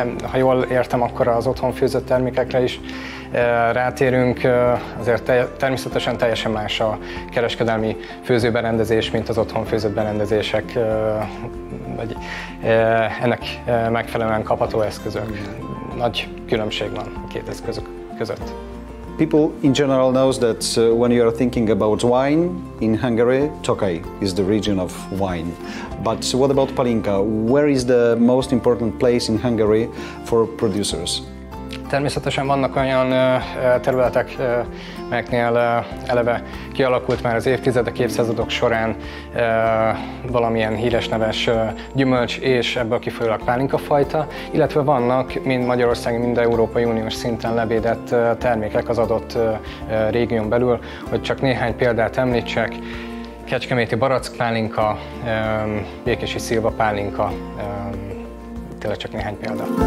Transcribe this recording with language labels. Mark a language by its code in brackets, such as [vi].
[hu] Ha jól értem, akkor az otthon főzött termékekre is rátérünk. Azért természetesen teljesen más a kereskedelmi főzőberendezés, mint az otthon főzött berendezések. Vagy ennek megfelelően kapható eszközök. Nagy különbség van a két eszközök között. [en] People in general knows that when you are thinking about wine in Hungary, Tokaj is the region of wine. But what about palinka? Where is the most important place in Hungary for producers? [hu] Természetesen vannak olyan területek, melyeknél eleve kialakult már az évtizedek, évszázadok során valamilyen híres neves gyümölcs és ebből kifolyólag pálinka fajta, illetve vannak mind Magyarország, mind Európai Uniós szinten levédett termékek az adott régión belül, hogy csak néhány példát említsek: kecskeméti barackpálinka, békési szilva pálinka, tényleg csak néhány példa.